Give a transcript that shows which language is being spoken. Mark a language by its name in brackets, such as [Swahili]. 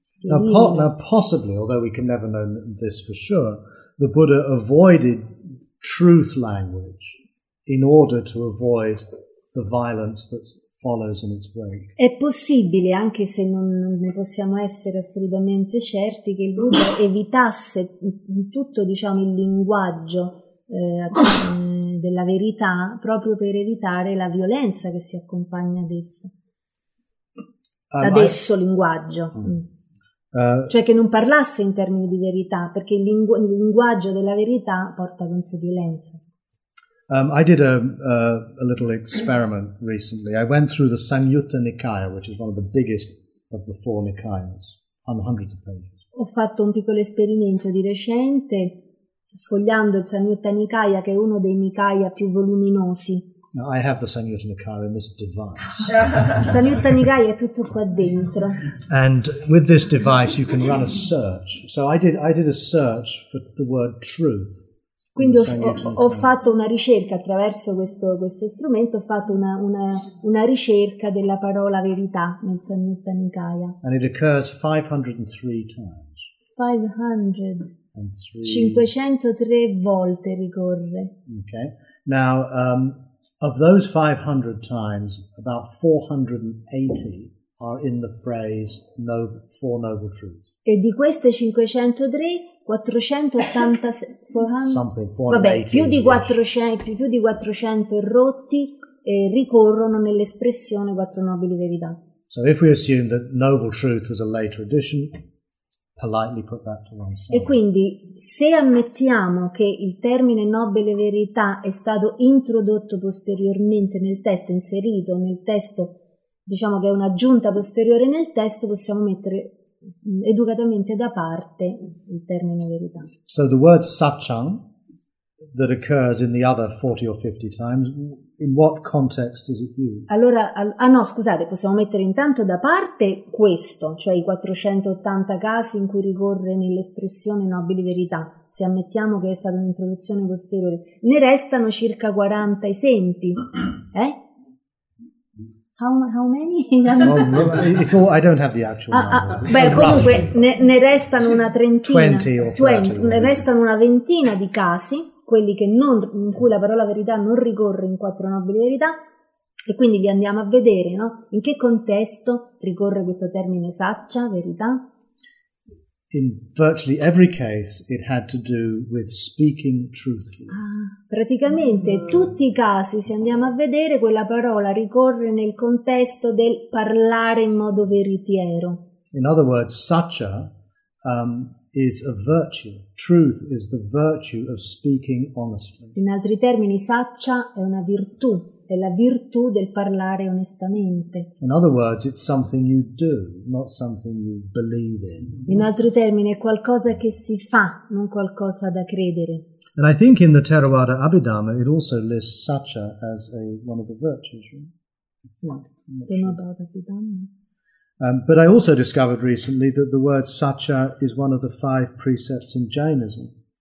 [English] Now possibly, although we can never know this for sure, the Buddha avoided truth language in order to avoid the violence that follows in its wake. [Italian] È possibile, anche se non ne possiamo essere assolutamente certi, che il Buddha evitasse tutto, diciamo, il linguaggio della verità proprio per evitare la violenza che si accompagna ad essa. Adesso linguaggio. Cioè che non parlasse in termini di verità, perché il linguaggio della verità porta con sé violenza. [English] I did a little experiment recently. I went through the Samyutta Nikaya, which is one of the biggest of the four Nikayas, on hundreds of pages. [Italian] Ho fatto un piccolo esperimento di recente, sfogliando il Samyutta Nikaya, che è uno dei Nikaya più voluminosi. [English] Now, I have the Samyutta Nikaya in this device. [Italian] Samyutta Nikaya è tutto qua dentro. [English] And with this device you can run a search. So I did a search for the word truth. [Italian] Quindi ho fatto una ricerca attraverso questo strumento, ho fatto una ricerca della parola verità nel Samyutta Nikaya. [English] And it occurs 503 times. [Italian] 503 volte ricorre. [English] Okay. Now, of those 500 times, about 480 are in the phrase Four Noble Truths. [Italian] E di queste 503, 486... 400, [English] something, 480. [Italian] Vabbè, più di 400 errotti ricorrono nell'espressione Quattro Nobili Verità. [English] So if we assume that Noble Truth was a later addition, politely put that to one side. [Italian] E quindi, se ammettiamo che il termine nobile verità è stato introdotto posteriormente nel testo, inserito nel testo, diciamo che è un'aggiunta posteriore nel testo, possiamo mettere educatamente da parte il termine verità. [English] So the word satchang, that occurs in the other 40 or 50 times, in what context is it used? [Italian] Allora, scusate, possiamo mettere intanto da parte questo, cioè i 480 casi in cui ricorre nell'espressione nobili verità, se ammettiamo che è stata un'introduzione posteriore. Ne restano circa 40 esempi, eh? [English] How many? I don't have the actual number. [Italian] Beh, comunque ne restano una trentina. [English] 20 or 30. 20, [Italian] ne restano una ventina di casi, quelli che non, in cui la parola verità non ricorre in quattro nobili verità, e quindi li andiamo a vedere, no? In che contesto ricorre questo termine saccia, verità? [English] In virtually every case it had to do with speaking truthfully. [Italian] Praticamente tutti i casi, se andiamo a vedere, quella parola ricorre nel contesto del parlare in modo veritiero. [English] In other words, saccia is a virtue. Truth is the virtue of speaking honestly. [Italian] In altri termini, saccia è una virtù, è la virtù del parlare onestamente. [English] In other words, it's something you do, not something you believe in. [Italian] In altri termini, è qualcosa che si fa, non qualcosa da credere. [English] And I think in the Theravada Abhidhamma it also lists saccia as one of the virtues, right? [Italian] Theravada Abhidhamma. [English] But I also discovered recently that the word saccia is one of the five precepts in Jainism.